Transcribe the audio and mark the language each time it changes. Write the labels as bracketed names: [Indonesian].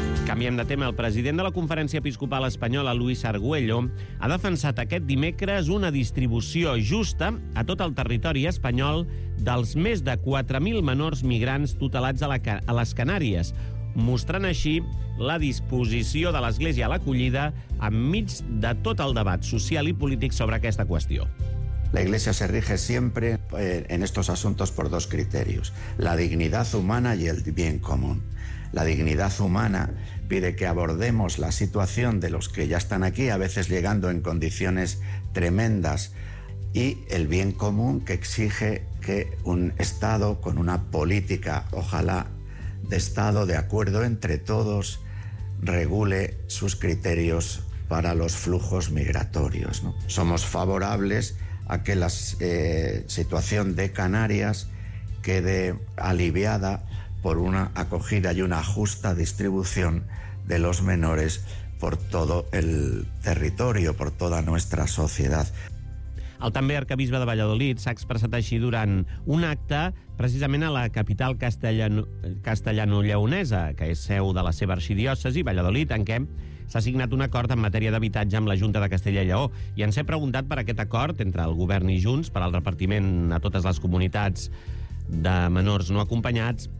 [Catalan] Canviem de tema. El president de la Conferència Episcopal Espanyola, Luis Argüello, ha defensat aquest dimecres una distribució justa a tot el territori espanyol dels més de 4.000 menors migrants tutelats a les Canàries, mostrant així la disposició de l'Església a l'acollida enmig de tot el debat social i polític sobre aquesta qüestió. [Spanish] La Iglesia se rige siempre en estos asuntos por dos criterios, la dignidad humana y el bien común. La dignidad humana pide que abordemos la situación de los que ya están aquí, a veces llegando en condiciones tremendas, y el bien común que exige que un Estado con una política, ojalá, de Estado de acuerdo entre todos, regule sus criterios para los flujos migratorios, ¿no? Somos favorables a que la situación de Canarias quede aliviada por una acogida y una justa distribución de los menores por todo el territorio, por toda nuestra sociedad. [Catalan] El també arcabisbe de Valladolid s'ha expressat així durant un acte precisament a la capital castellano-lleonesa, que és seu de la seva arxidiòcesi, Valladolid, en què s'ha signat un acord en matèria d'habitatge amb la Junta de Castella i Lleó. I ens hem preguntat per aquest acord entre el govern i Junts per al repartiment a totes les comunitats de menors no acompanyats.